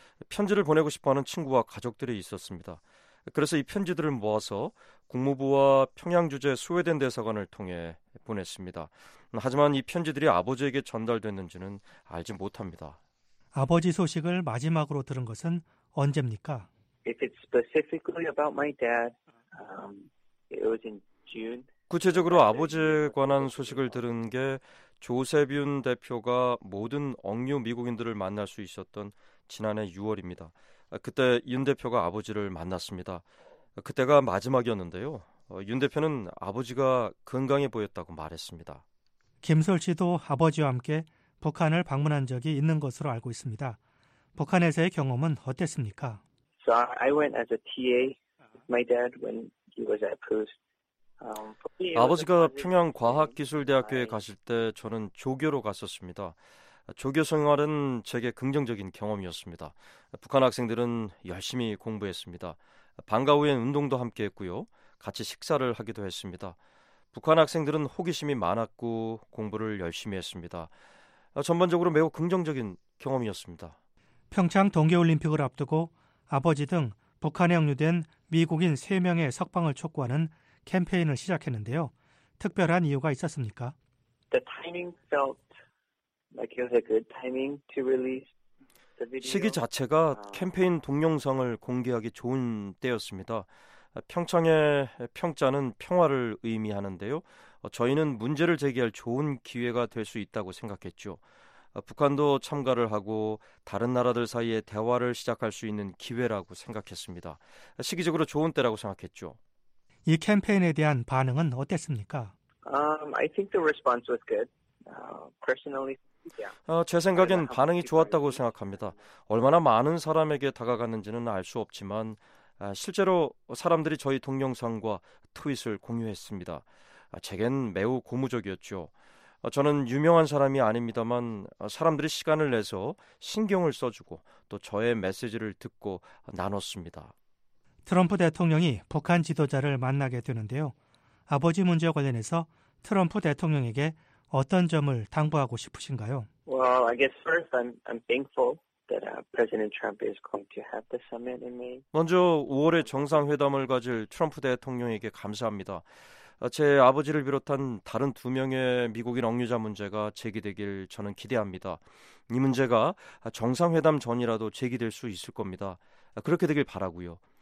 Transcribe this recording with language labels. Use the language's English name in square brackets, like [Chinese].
[Korean] 편지를 보내고 싶어하는 친구와 가족들이 있었습니다. 그래서 이 편지들을 모아서 국무부와 평양주재 스웨덴 대사관을 통해 보냈습니다. 하지만 이 편지들이 아버지에게 전달됐는지는 알지 못합니다. 아버지 소식을 마지막으로 들은 것은 언제입니까? [English] If it's specifically about my dad, it was in June. [Korean] 구체적으로 아버지에 관한 소식을 들은 게 조세빈 대표가 모든 억류 미국인들을 만날 수 있었던 지난해 6월입니다. 그때 윤 대표가 아버지를 만났습니다. 그때가 마지막이었는데요. 윤 대표는 아버지가 건강해 보였다고 말했습니다. 김솔 씨도 아버지와 함께 북한을 방문한 적이 있는 것으로 알고 있습니다. 북한에서의 경험은 어땠습니까? [English] So I went as a TA with my dad when he was at post. [Korean] 아버지가 평양과학기술대학교에 가실 때 저는 조교로 갔었습니다. 조교 생활은 제게 긍정적인 경험이었습니다. 북한 학생들은 열심히 공부했습니다. 방과 후엔 운동도 함께 했고요. 같이 식사를 하기도 했습니다. 북한 학생들은 호기심이 많았고 공부를 열심히 했습니다. 전반적으로 매우 긍정적인 경험이었습니다. 평창 동계올림픽을 앞두고 아버지 등 북한에 억류된 미국인 3명의 석방을 촉구하는 캠페인을 시작했는데요. 특별한 이유가 있었습니까? [English] The timing felt like it was a good timing to release the video. [Korean] 시기 자체가 캠페인 동영상을 공개하기 좋은 때였습니다. 평창의 평자는 평화를 의미하는데요. 저희는 문제를 제기할 좋은 기회가 될 수 있다고 생각했죠. 북한도 참가를 하고 다른 나라들 사이에 대화를 시작할 수 있는 기회라고 생각했습니다. 시기적으로 좋은 때라고 생각했죠. 이 캠페인에 대한 반응은 어땠습니까? [English] I think the response was good. Personally, yeah. [Korean] 제 생각엔 반응이 좋았다고 생각합니다. 얼마나 많은 사람에게 다가갔는지는 알 수 없지만 실제로 사람들이 저희 동영상과 트윗을 공유했습니다. 제겐 매우 고무적이었죠. 저는 유명한 사람이 아닙니다만 사람들이 시간을 내서 신경을 써주고 또 저의 메시지를 듣고 나눴습니다. 트럼프 대통령이 북한 지도자를 만나게 되는데요. 아버지 문제와 관련해서 트럼프 대통령에게 어떤 점을 당부하고 싶으신가요? [English] Well, I guess first I'm thankful that President Trump is going to have the summit in May. [Korean] 먼저 5월에 정상회담을 가질 트럼프 대통령에게 감사합니다. 제 아버지를 비롯한 다른 두 명의 미국인 억류자 문제가 제기되길 저는 기대합니다. 이 문제가 정상회담 전이라도 제기될 수 있을 겁니다. 그렇게 되길 바라고요.